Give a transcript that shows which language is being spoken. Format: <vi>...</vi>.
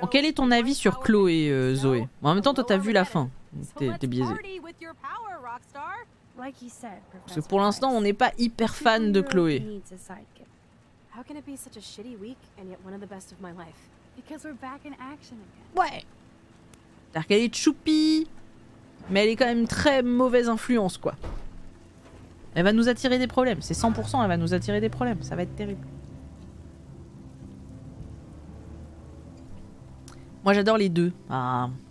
<fr>Bon, quel est ton avis sur Chloé et Zoé? Bon, en même temps, toi, t'as vu la fin. T'es biaisé. Parce que pour l'instant, on n'est pas hyper fan de Chloé.</fr> <en>How can it be such a shitty week and yet one of the best of my life? Because we're back in action again.</en> <fr>Ouais. C'est-à-dire qu'elle est choupie, mais elle est quand même très mauvaise influence, quoi. Elle va nous attirer des problèmes. C'est 100%, elle va nous attirer des problèmes. Ça va être terrible. Moi, j'adore les deux. Ah.</fr>